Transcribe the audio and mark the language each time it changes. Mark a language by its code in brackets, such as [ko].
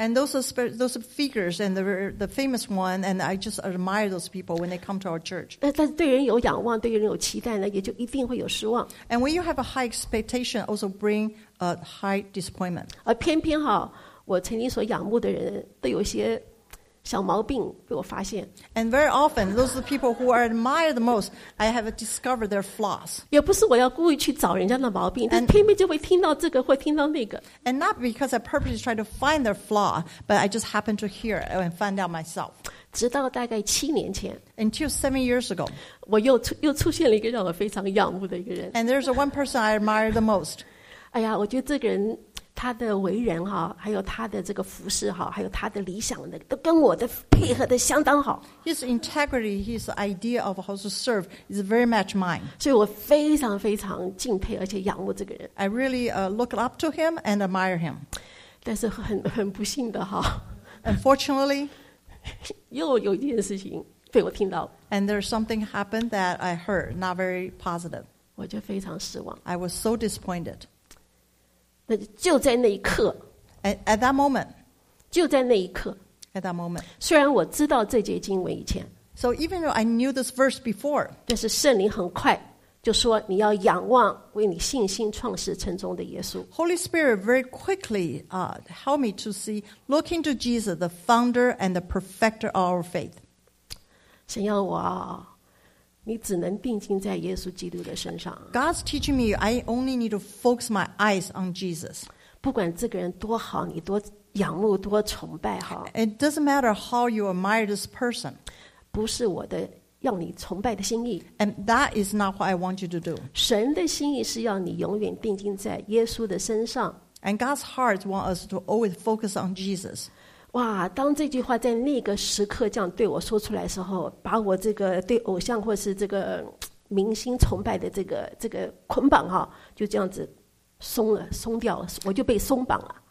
[en] And those figures and the famous one, and I just admire those people when they come to our church. [zh] 但是对人有仰望，对人有期待呢，也就一定会有失望。 [en] And when you have a high expectation, also bring a high disappointment. [zh] 而偏偏哈，我曾经所仰慕的人都有些小毛病被我发现。 [en] And very often, those are the people who are admired the most, I have discovered their flaws. [zh] 也不是我要故意去找人家的毛病，但偏偏就会听到这个或听到那个。 [en] And not because I purposely try to find their flaw, but I just happen to hear it and find out myself. [zh] 直到大概7年前。 [en] Until 7 years ago. [zh] 我又出现了一个让我非常仰慕的一个人。 [en] And there's one person I admire the most. [zh] 哎呀，我觉得这个人他的为人哈，还有他的这个服侍哈，还有他的理想的，都跟我的配合的相当好。 [en] His integrity, his idea of how to serve is very much mine. [zh] 所以我非常非常敬佩而且仰慕这个人。 [en] I really look up to him and admire him. [zh] 但是很不幸的哈。 [en] Unfortunately, [zh] 又有一件事情被我听到。 [en] And there's something happened that I heard, not very positive. [zh] 我就非常失望。 [en] I was so disappointed. [zh] 那就在那一刻。 [en] At that moment. [zh] 就在那一刻。 [en] At that moment. [zh] 虽然我知道这节经文以前。 [en] So even though I knew this verse before. [zh] 但是圣灵很快就说你要仰望为你信心创始成终的耶稣。 [en] Holy Spirit very quickly helped me to see, look into Jesus, the founder and the perfecter of our faith. [zh] 神要我你只能定睛在耶稣基督的身上。 [en] God's teaching me, I only need to focus my eyes on Jesus. [zh] 不管这个人多好，你多仰慕，多崇拜哈。 [en] It doesn't matter how you admire this person. [zh] 不是我的要你崇拜的心意。 [en] And that is not what I want you to do. [zh] 神的心意是要你永远定睛在耶稣的身上。 [en] And God's heart wants us to always focus on Jesus. 哇！ [zh] 当这句话在那个时刻这样对我说出来的时候，把我这个对偶像或是这个明星崇拜的这个捆绑哈，就这样子松了，松掉了，我就被松绑了。